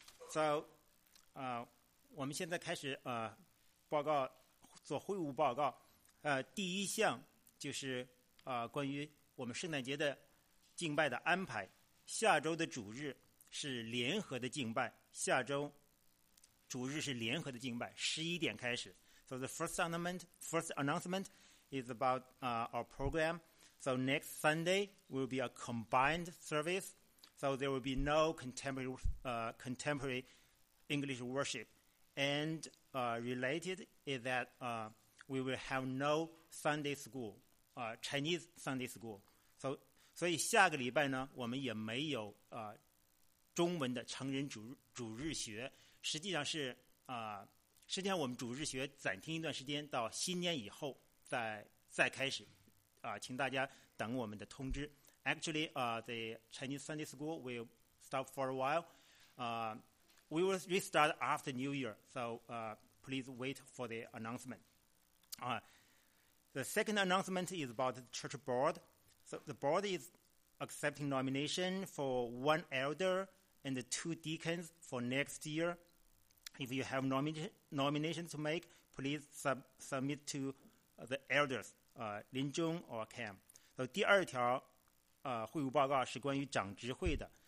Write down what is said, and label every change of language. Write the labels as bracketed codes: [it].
[zh] So, 我们现在开始报告，做会务报告。第一项就是关于我们圣诞节的敬拜的安排。下周的主日是联合的敬拜，下周主日是联合的敬拜，11点开始。 [en] So the first announcement is about our program. So next Sunday will be a combined service. So there will be no contemporary English worship. And related is that we will have no Sunday school, Chinese Sunday school. [zh] So 下个礼拜呢，我们也没有中文的成人主日学。实际上是实际上我们主日学暂停一段时间，到新年以后再开始。请大家等我们的通知。 [en] Actually, the Chinese Sunday School will stop for a while. We will restart after New Year. So, please wait for the announcement. The second announcement is about the church board. So the board is accepting nomination for one elder and two deacons for next year. If you have nominations to make, please submit to the elders, Lin Zhong or Cam. [zh] So 第二条会务报告是关于长执会的。